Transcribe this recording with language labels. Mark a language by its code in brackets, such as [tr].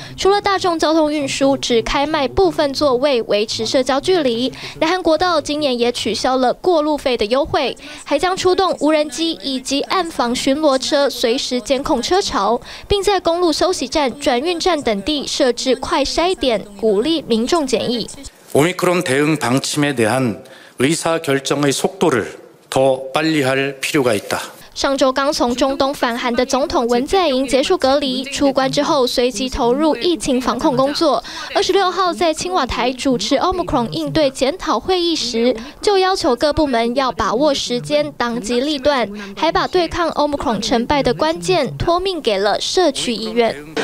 [zh] 除了大众交通运输只开卖部分座位维持社交距离，南韩国道今年也取消了过路费的优惠，还将出动无人机以及暗访巡逻车随时监控车潮，并在公路休息站、转运站等地设置快筛点，鼓励民众检疫。 [ko] 오미크론대응방침에대한의사결정의속도를더빨리할필요가있다 [zh] 上周刚从中东返韩的总统文在寅结束隔离，出关之后随即投入疫情防控工作。 26号在青瓦台主持 Omicron 应对检讨会议时，就要求各部门要把握时间，当机立断，还把对抗 Omicron 成败的关键托命给了社区医院。